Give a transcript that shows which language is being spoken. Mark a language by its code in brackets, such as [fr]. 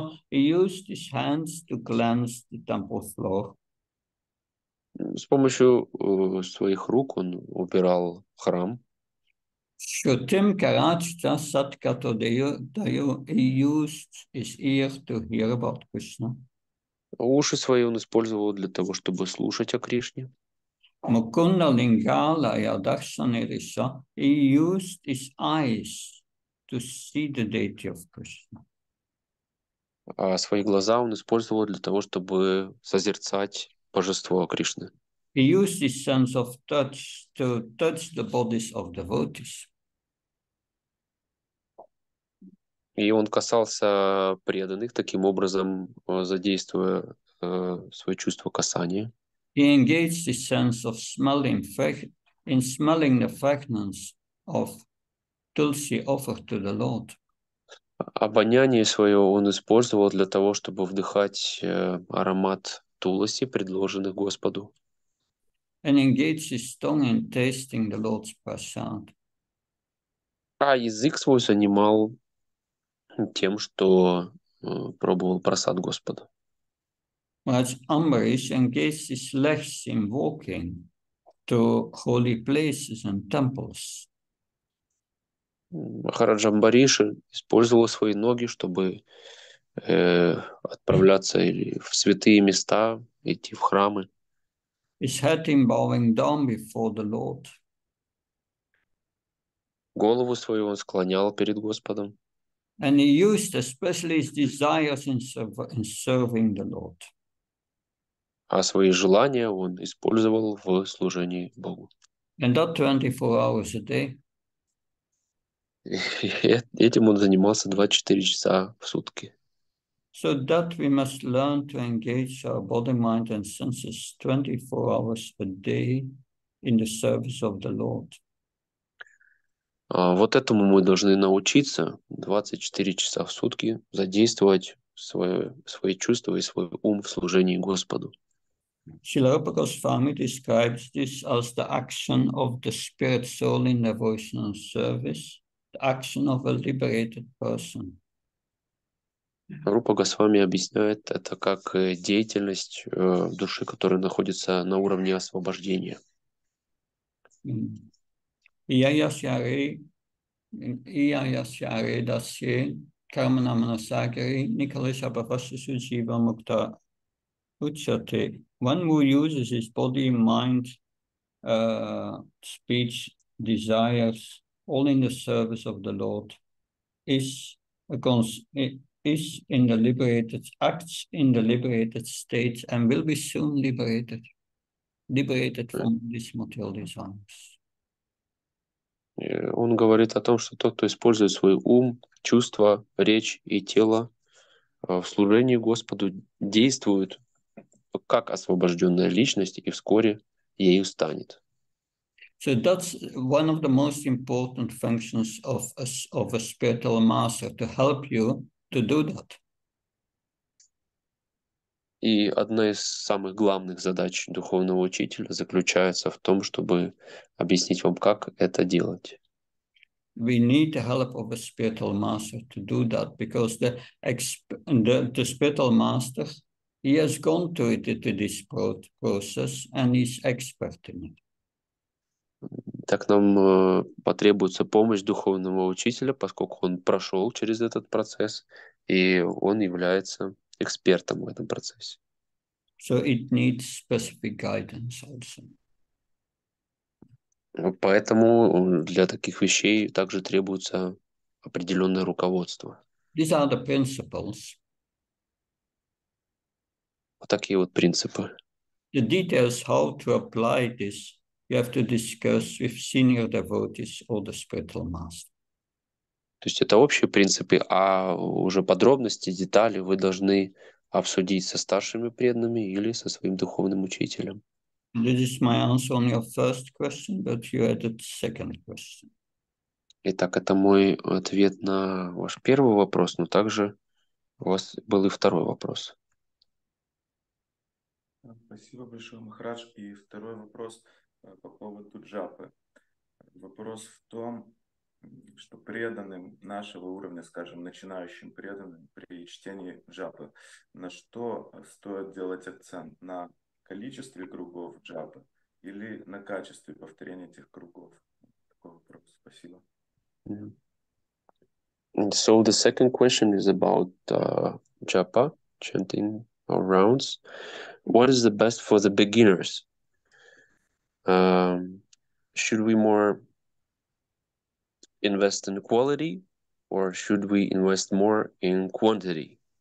[en] He used his hands to cleanse the temple floor. [ru] С помощью своих рук он убирал храм. [sa] Shrutim Karajta Satkato Dayu, [en] he used his ear to hear about Krishna. [ru] Уши свои он использовал для того, чтобы слушать о Кришне. [sa] Mukunda Lingalaya Darshanirisa, [en] he used his eyes to see the deity of Krishna. [ru] А свои глаза он использовал для того, чтобы созерцать божество Кришны. [en] He used his sense of touch to touch the bodies of devotees. [ru] И он касался преданных таким образом, задействуя свое чувство касания. [en] He engaged his sense of smelling in smelling the fragrance of tulsi offered to the Lord. [ru] Обоняние свое он использовал для того, чтобы вдыхать аромат туласи, предложенных Господу. [en] And engaged his tongue in tasting the Lord's prasad. [ru] А язык свой занимал тем, что пробовал просад Господа. [en] Whereas Amrish engaged his legs in walking to holy places and temples. [ru] Махараджа Амбариш использовал свои ноги, чтобы отправляться или в святые места, идти в храмы. [en] His head in bowing down before the Lord. [ru] Голову свою он склонял перед Господом. [en] And he used especially his desires in serving the Lord. [ru] А свои желания он использовал в служении Богу. [en] And that 24 hours a day. [ru] Этим он занимался 24 часа в сутки. [en] So that we must learn to engage our body, mind and senses 24 hours a day in the service of the Lord. [ru] Вот этому мы должны научиться 24 часа в сутки задействовать свои чувства и свой ум в служении Господу. [en] Srila Rupa Goswami describes this as the action of the spirit soul in devotional service, the action of a liberated person. [ru] Рупа Госвами объясняет это как деятельность души, которая находится на уровне освобождения. [sa] Iyayasyare dasye karmana manasagari nikalesha bhavasisu jiva mukta uchyate. [en] One who uses his body, mind, speech, desires, all in the service of the Lord, is in the liberated, acts in the liberated state, and will be soon liberated from these material desires. [ru] Он говорит о том, что тот, кто использует свой ум, чувства, речь и тело в служении Господу, действует как освобожденная личность и вскоре ею станет. [en] So that's one of the most important functions of a spiritual master, to help you to do that. [ru] И одна из самых главных задач духовного учителя заключается в том, чтобы объяснить вам, как это делать. [en] We need the help of a spiritual master to do that, because the spiritual master, he has gone through it, this process, and he's expert in it. [ru] Так нам потребуется помощь духовного учителя, поскольку он прошел через этот процесс, и он является экспертом в этом процессе. [en] So it needs specific guidance also. [ru] Поэтому для таких вещей также требуется определенное руководство. [en] These are the principles. [ru] Вот такие вот принципы. [en] The details how to apply this you have to discuss with senior devotees or the spiritual master. [ru] То есть это общие принципы, а уже подробности, детали вы должны обсудить со старшими преданными или со своим духовным учителем. [en] This is my answer on your first question, but you added second question. [ru] Итак, это мой ответ на ваш первый вопрос, но также у вас был и второй вопрос. Спасибо большое, Махарадж. И второй вопрос по поводу джапы. Вопрос в том, что преданным нашего уровня, скажем, начинающим преданным при чтении джапы, на что стоит делать акцент? На количестве кругов джапы или на качестве повторения этих кругов? Такой вопрос. Спасибо. [en] And so the second question is about japa, chanting or rounds. What is the best for the beginners? Should we more invest in quality or should we invest more in quantity?